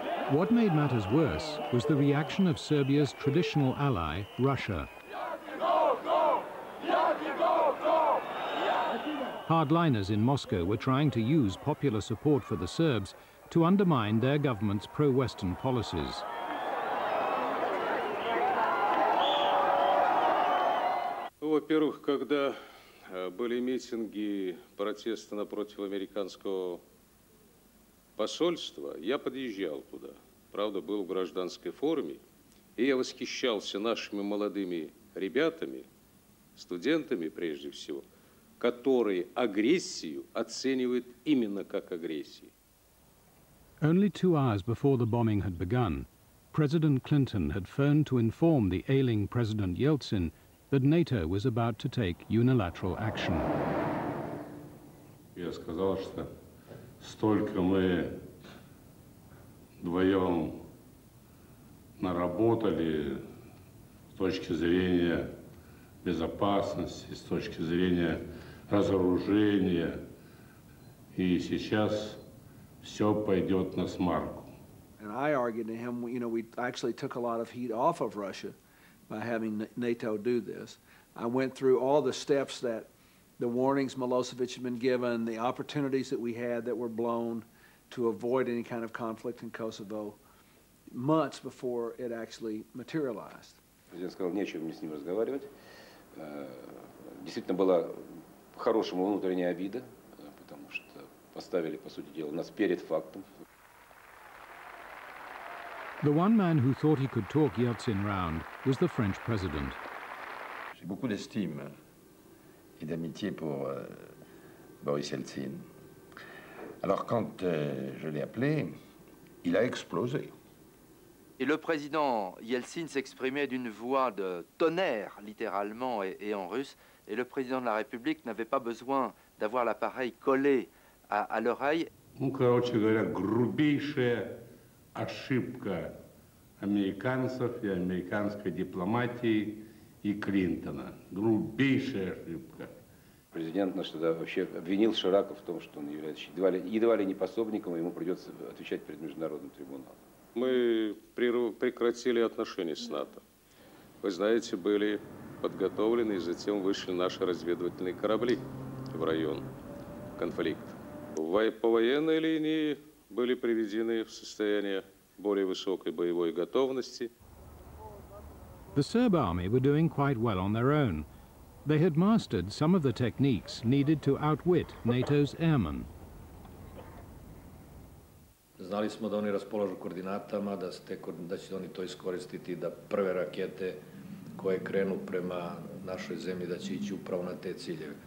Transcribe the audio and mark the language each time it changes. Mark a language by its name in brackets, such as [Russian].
[English] What made matters worse was the reaction of Serbia's traditional ally, Russia. Hardliners in Moscow were trying to use popular support for the Serbs to undermine their government's pro-Western policies. [Russian] Во-первых, когда были митинги, протесты напротив американского посольства, я подъезжал туда. Правда, был в гражданской форме, и я восхищался нашими молодыми ребятами, студентами прежде всего. Которые агрессию оценивают именно как агрессию. [English] Only 2 hours before the bombing had begun, President Clinton had phoned to inform the ailing President Yeltsin that NATO was about to take unilateral action. [Russian] Я сказал, что столько мы вдвоем наработали с точки зрения безопасности, с точки зрения разоружение, и сейчас все пойдет на смарку. [English] And I argued to him, you know, we actually took a lot of heat off of Russia by having NATO do this. I went through all the steps that the warnings Milosevic had been given, the opportunities that we had that were blown to avoid any kind of conflict in Kosovo months before it actually materialized. [Russian] Президент сказал, нечего мне с ним разговаривать. Действительно, была хорошая внутренняя обида, потому что поставили, по сути дела, нас перед фактом. [English] The one man who thought he could talk Yeltsin round was the French president. [French] J'ai beaucoup d'estime et d'amitié pour Boris Yeltsin. Alors quand je l'ai appelé, il a explosé. Et le président Yeltsin s'exprimait d'une voix de tonnerre, littéralement et en russe, et le président de la République n'avait pas besoin d'avoir l'appareil collé à l'oreille. [Russian] Ну, короче говоря, грубейшая ошибка американцев и американской дипломатии и Клинтона. Грубейшая ошибка. Президент наш тогда вообще обвинил Ширака в том, что он является едва ли не пособником, и ему придется отвечать перед международным трибуналом. Мы прекратили отношения с НАТО. Вы знаете, были подготовлены, и затем вышли наши разведывательные корабли в район конфликта. По военной линии были приведены в состояние более высокой боевой готовности. [English] The Serb army were doing quite well on their own. They had mastered some of the techniques needed to outwit NATO's airmen. [Serbian] Znali smo da oni raspolažu koordinatama, da će oni to iskoristiti, da prve rakete koje krenu prema našoj zemlji, da će ići upravo na te ciljeve.